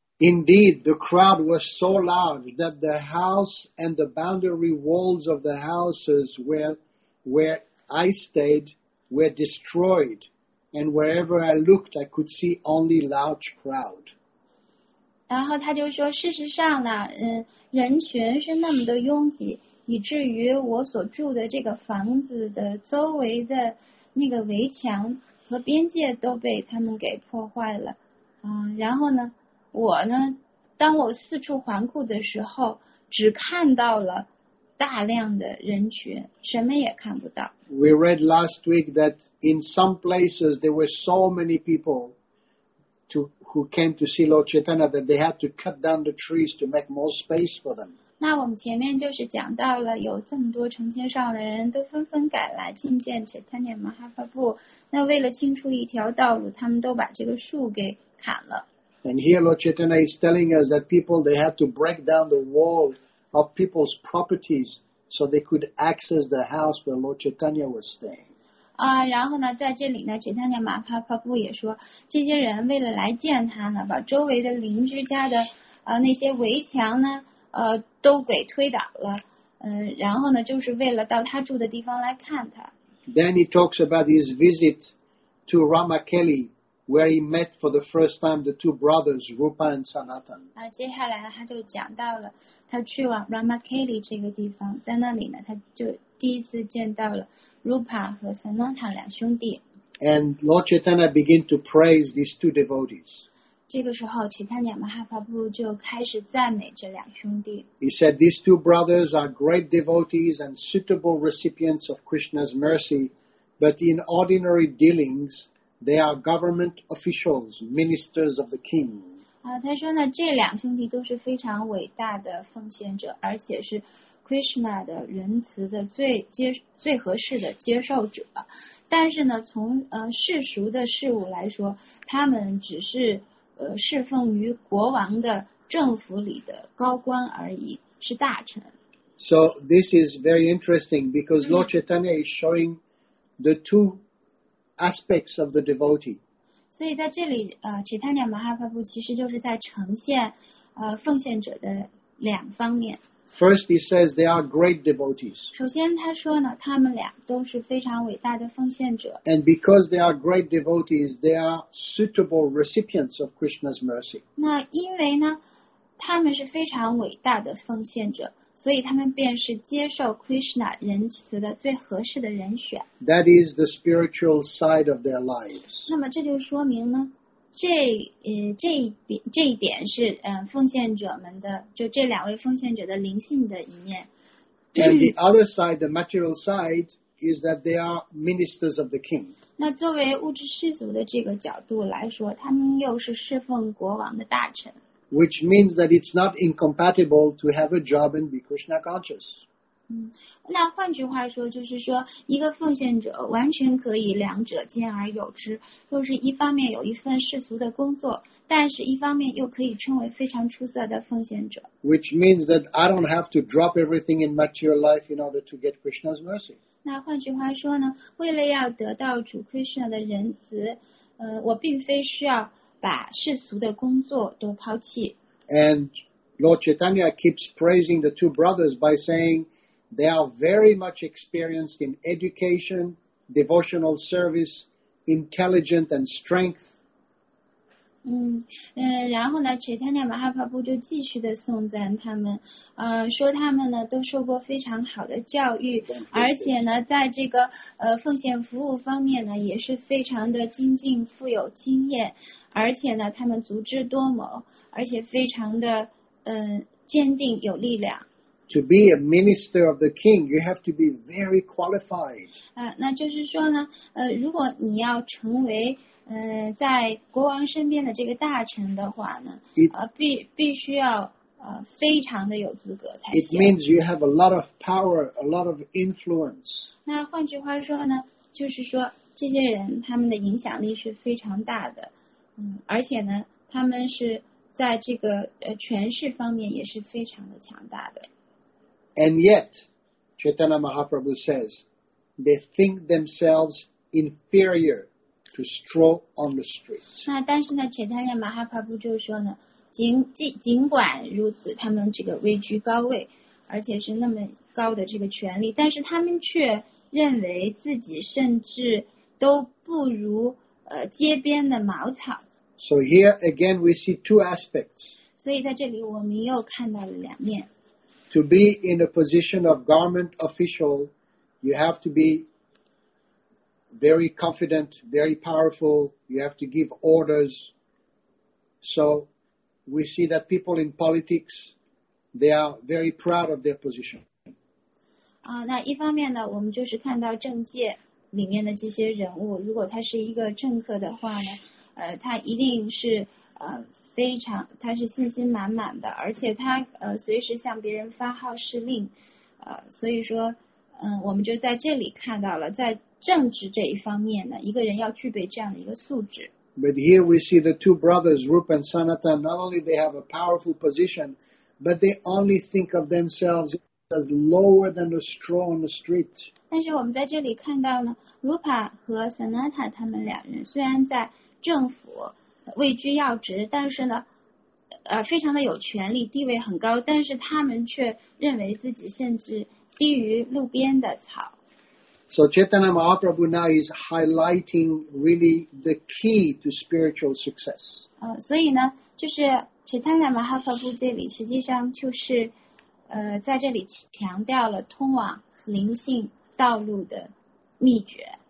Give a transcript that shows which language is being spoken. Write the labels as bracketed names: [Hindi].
[English] Indeed, the crowd was so large that the house and the boundary walls of the houses where I stayed were destroyed. And wherever I looked, I could see only large crowd. [Chinese] 然后他就说，事实上呢，人群是那么的拥挤，以至于我所住的这个房子的周围的那个围墙和边界都被他们给破坏了。然后呢，我呢，当我四处环顾的时候，只看到了大量的人群，什么也看不到。 [English] We read last week that in some places there were so many people who came to see Lord Chaitanya that they had to cut down the trees to make more space for them. [Chinese] 那我们前面就是讲到了，有这么多成千上万的人都纷纷赶来觐见 Chaitanya Mahaprabhu， 那为了清出一条道路，他们都把这个树给砍了。 [English] And here Lord Chaitanya is telling us that people they had to break down the wall of people's properties so they could access the house where Lord Chaitanya was staying. [Chinese] 然后呢，在这里呢，齐坦尼亚马哈帕布也说，这些人为了来见他呢，把周围的邻居家的那些围墙呢，都给推倒了。然后呢，就是为了到他住的地方来看他。 [English] Then he talks about his visit to Rama Kelly, where he met for the first time the two brothers, Rupa and Sanatan. [Chinese] 接下来呢，他就讲到了他去往 Rama Kelly 这个地方，在那里呢，他就第一次见到了 Rupa 和 Sanatan 两兄弟。 [English] And Lord Chaitanya began to praise these two devotees. [Chinese] 这个时候，齐坦尼亚马哈帕布就开始赞美这两兄弟。 [English] He said, "These two brothers are great devotees and suitable recipients of Krishna's mercy, but in ordinary dealings, they are government officials, ministers of the king." [Chinese] 他说呢，这两兄弟都是非常伟大的奉献者，而且是。 Krishna 的仁慈的最合适的接受者，但是呢，从世俗的事物来说，他们只是侍奉于国王的政府里的高官而已，是大臣。 [English] So this is very interesting because Lord Chaitanya is showing the two aspects of the devotee. [Chinese] 所以在这里，Chaitanya Mahaprabhu 其实就是在呈现奉献者的两方面。 [English] First, he says they are great devotees. [Chinese] 首先他说呢，他们俩都是非常伟大的奉献者。 [English] And because they are great devotees, they are suitable recipients of Krishna's mercy. [Chinese] 那因为呢，他们是非常伟大的奉献者，所以他们便是接受 Krishna 仁慈的最合适的人选。 [English] That is the spiritual side of their lives. [Chinese] 那么这就说明呢？这一点是奉献者们的，就这两位奉献者的灵性的一面。 [English] And the other side, the material side, is that they are ministers of the king. [Chinese] 那作为物质世俗的这个角度来说，他们又是侍奉国王的大臣。 [English] Which means that it's not incompatible to have a job and be Krishna conscious. [Chinese] 那换句话说，就是说一个奉献者完全可以两者兼而有之，就是一方面有一份世俗的工作，但是一方面又可以称为非常出色的奉献者。 [English] Which means that I don't have to drop everything in material life in order to get Krishna's mercy. [Chinese] 那换句话说呢，为了要得到主 Krishna 的仁慈，我并非需要把世俗的工作都抛弃。 [English] And Lord Chaitanya keeps praising the two brothers by saying,They are very much experienced in education, devotional service, intelligent and strength. [Chinese] 然后呢 Chaitanya Mahaprabhu 就继续的颂赞他们，说他们呢都受过非常好的教育，而且呢在这个奉献服务方面呢也是非常的精进，富有经验，而且呢他们足智多谋，而且非常的坚定有力量。 [English] To be a minister of the king, you have to be very qualified. [Chinese] 那就是说呢，如果你要成为在国王身边的这个大臣的话呢，必须要非常的有资格才行。 [English] It means you have a lot of power, a lot of influence. [Chinese] 那换句话说呢，就是说这些人他们的影响力是非常大的，而且呢，他们是在这个权势方面也是非常的强大的。 [English] And yet, Chaitanya Mahaprabhu says, they think themselves inferior to stroll on the streets. [Chinese] 那但是呢 ，Chaitanya Mahaprabhu 就说呢，尽管如此，他们这个位居高位，而且是那么高的这个权力，但是他们却认为自己甚至都不如街边的茅草。 [English] So here again, we see two aspects. [Chinese] 所以在这里，我们又看到了两面。 [English] To be in a position of government official, you have to be very confident, very powerful. You have to give orders. So we see that people in politics, they are very proud of their position. [Chinese] 那一方面呢，我们就是看到政界里面的这些人物，如果他是一个政客的话呢，他一定是。非常，他是信心满满的，而且他随时向别人发号施令，所以说，我们就在这里看到了，在政治这一方面呢，一个人要具备这样的一个素质。 [English] But here we see the two brothers, Rupa and Sanatan, not only they have a powerful position, but they only think of themselves as lower than the straw on the street. [Chinese] 但是我们在这里看到呢，卢帕和桑娜塔他们两人虽然在政府位居要职，但是呢，非常的有权力，地位很高，但是他们却认为自己甚至低于路边的草。 [English] So Chaitanya Mahaprabhu now is highlighting really the key to spiritual success. [Chinese] 所以呢，就是 Chaitanya Mahaprabhu 这里实际上就是，在这里强调了通往灵性道路的秘诀。